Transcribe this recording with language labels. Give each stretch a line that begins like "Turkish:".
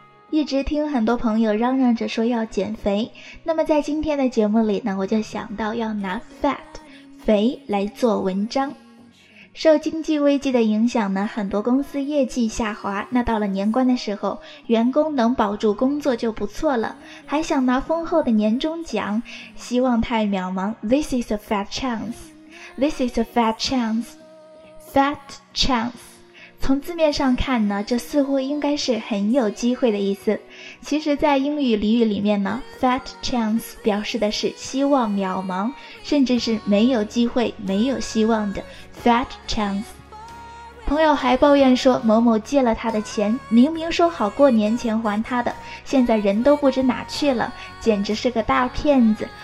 Chinese: 一直听很多朋友嚷嚷着说要减肥，那么在今天的节目里呢，我就想到要拿 fat 肥来做文章。受经济危机的影响呢，很多公司业绩下滑，那到了年关的时候，员工能保住工作就不错了，还想拿丰厚的年终奖，希望太渺茫。
English: This is a fat chance, This is a fat chance,Fat chance,
Chinese: 从字面上看呢，这似乎应该是很有机会的意思。其实在英语俚语里面呢，
English: Fat chance
Chinese: 表示的是希望渺茫，甚至是没有机会、没有希望的 Fat chance。朋友还抱怨说，某某借了他的钱，明明说好过年前还他的，现在人都不知哪去了，简直是个大骗子。